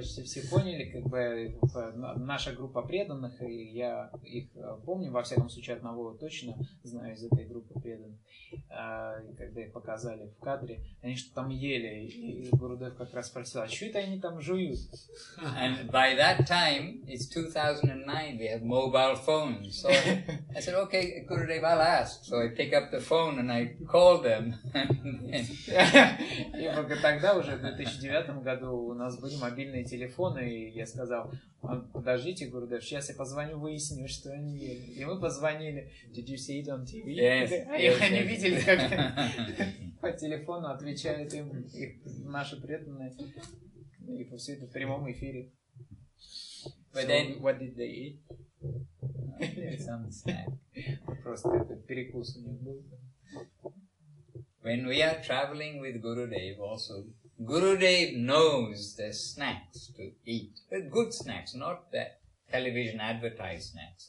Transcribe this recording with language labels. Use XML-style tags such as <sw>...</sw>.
<ru>почти все поняли, как бы наша группа преданных, и я их помню, во всяком случае одного точно знаю из этой группы преданных, когда их показали в кадре, они что-то там ели, и Гурудев как раз спросил, а что это они там жуют?</ru> <en>And by that time, it's 2009, we have mobile phones, so I said, okay, Gurudev, I'll ask, so I pick up the phone and I call them.</en> <ru>И только тогда уже, в 2009 году, у нас были мобильные телефоны, и я сказал, подождите, Гурудев, сейчас я позвоню, выясню, что они ели. И мы позвонили.</ru> <en>Did you see it on TV? Yes.</en> <ru>И они видели, как по телефону отвечают им их, наши преданные. И все это в прямом эфире.</ru> <en>But so, then, what did they eat? Some snack.</en> <ru>Просто этот перекус у них был.</ru> <en>When we are traveling with Gurudev also, Gurudev knows the snacks to eat. The good snacks, not the television advertised snacks.</en>